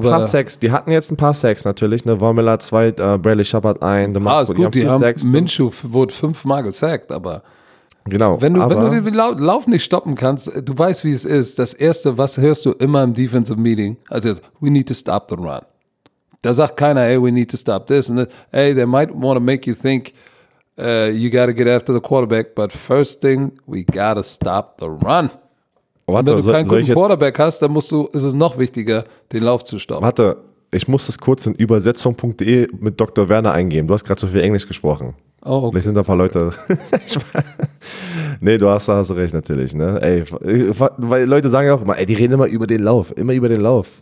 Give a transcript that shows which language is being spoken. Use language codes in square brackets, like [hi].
[de] Die hatten jetzt ein paar Sacks natürlich, ne? Von Miller 2, Bradley Shepard 1. Minshew wurde 5-mal gesackt, aber... Genau. Wenn du den Lauf nicht stoppen kannst, du weißt, wie es ist. Das Erste, was hörst du immer im Defensive Meeting? Also jetzt, [en] we need to stop the run. [de] Da sagt keiner, [en] hey, we need to stop this. And then, hey, they might want to make you think you got to get after the quarterback, but first thing, we got to stop the run. [de] Warte, wenn du keinen guten Quarterback hast, dann ist es noch wichtiger, den Lauf zu stoppen. Warte, ich muss das kurz in übersetzung.de mit Dr. Werner eingeben. Du hast gerade so viel Englisch gesprochen. Oh, okay. Vielleicht sind da ein paar Leute. Nee, du hast recht natürlich, ne? Ey, weil Leute sagen ja auch immer, ey, die reden immer über den Lauf, immer über den Lauf.